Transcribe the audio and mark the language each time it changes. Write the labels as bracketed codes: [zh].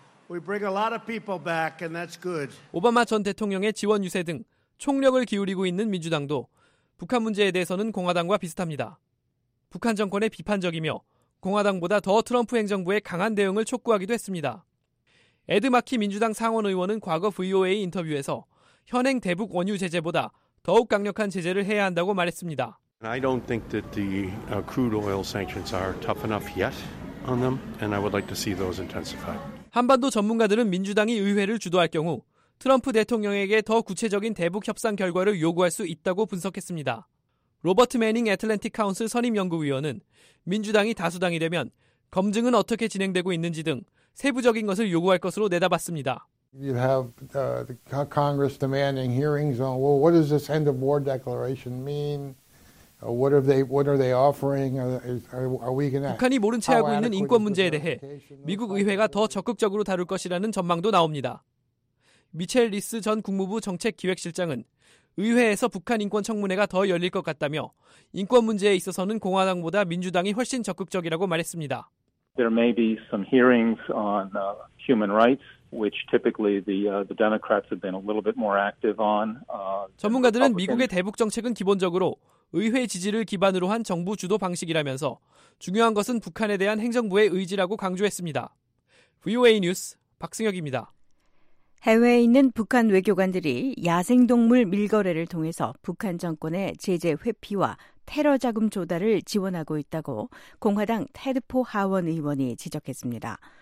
[en] We bring a lot of people back and that's good. [ko] 오바마 전 대통령의 지원 유세 등 총력을 기울이고 있는 민주당도 북한 문제에 대해서는 공화당과 비슷합니다. 북한 정권에 비판적이며 공화당보다 더 트럼프 행정부의 강한 대응을 촉구하기도 했습니다. 에드 마키 민주당 상원 의원은 과거 VOA 인터뷰에서 현행 대북 원유 제재보다 더욱 강력한 제재를 해야 한다고 말했습니다. [en] I don't think that the crude oil sanctions are tough enough yet on them and I would like to see those intensified. [ko] 한반도 전문가들은 민주당이 의회를 주도할 경우 트럼프 대통령에게 더 구체적인 대북 협상 결과를 요구할 수 있다고 분석했습니다. 로버트 매닝 애틀랜틱 카운슬 선임 연구위원은 민주당이 다수당이 되면 검증은 어떻게 진행되고 있는지 등 세부적인 것을 요구할 것으로 내다봤습니다. [en] You have the Congress demanding hearings on well, what does this end of war declaration mean? What are they offering? Are we going to? [ko] 북한이 모른 채 하고 있는 인권 문제에 대해 미국 의회가 더 적극적으로 다룰 것이라는 전망도 나옵니다. 미첼 리스 전 국무부 정책기획실장은 의회에서 북한 인권 청문회가 더 열릴 것 같다며 인권 문제에 있어서는 공화당보다 민주당이 훨씬 적극적이라고 말했습니다. [en] There may be some hearings on human rights. Which typically the Democrats have been a little bit more active on. [ko] 전문가들은 미국의 대북 정책은 기본적으로 의회 지지를 기반으로 한 정부 주도 방식이라면서 중요한 것은 북한에 대한 행정부의 의지라고 강조했습니다. VOA 뉴스 박승혁입니다. 해외에 있는 북한 외교관들이 야생동물 밀거래를 통해서 북한 정권의 제재 회피와 테러 자금 조달을 지원하고 있다고 공화당 테드포 하원 의원이 지적했습니다.